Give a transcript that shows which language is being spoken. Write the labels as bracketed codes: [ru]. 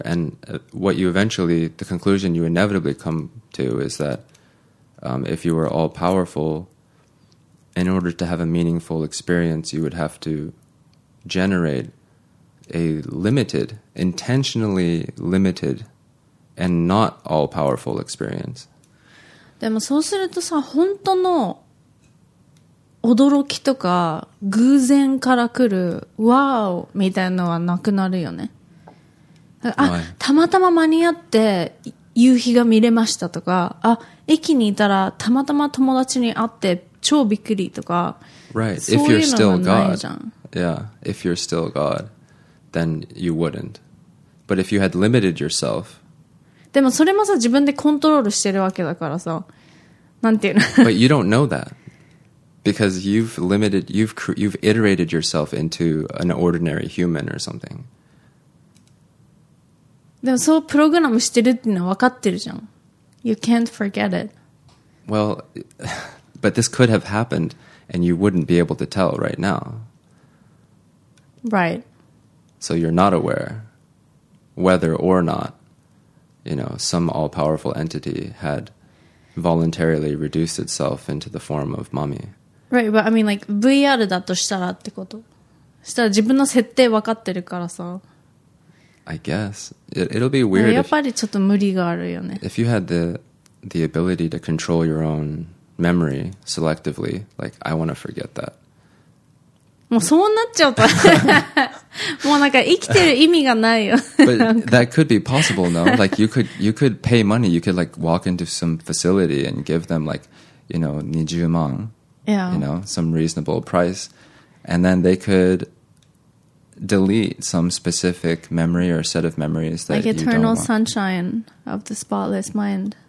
[en] And what you eventually, the conclusion you inevitably come to is that if you were all-powerful, in order to have a meaningful experience, you would have to generate a limited, intentionally limited, and not all-powerful experience. [ja] でもそうするとさ、本当の驚きとか偶然から来るワーオみたいのはなくなるよね。あ、たまたま間に合って夕日が見れましたとか、あ、駅にいたらたまたま友達に会って超びっくりとか、 [en] right. [ja] そういうのもないじゃん。 [en] Yeah, if you're still God, then you wouldn't. But if you had limited yourself, [ja] でもそれもさ自分でコントロールしてるわけだからさ、なんていうの。 [en] But you don't know that. Because you've iterated yourself into an ordinary human or something. [ja] でもそうプログラムしてるっていうのは分かってるじゃん。 [en] You can't forget it. Well, but this could have happened and you wouldn't be able to tell right now. Right. So you're not aware whether or not, you know, some all-powerful entity had voluntarily reduced itself into the form of mommy. Right, but I mean, like, VR [ja] だとしたらってこと。したら自分の設定分かってるからさ。 [en] I guess. It'll be weird. [ja] やっぱりちょっと無理があるよね。 [en] If you had the ability to control your own memory selectively, like, I want to forget that. [ja] もうそうなっちゃうと。もうなんか生きてる意味がないよ。 [en] But that could be possible, no? Like, you could pay money. You could, like, walk into some facility and give them, like, you know, 20万。 Yeah. You know, some reasonable price. And then they could delete some specific memory or set of memories that you don't want. Like Eternal Sunshine of the Spotless Mind.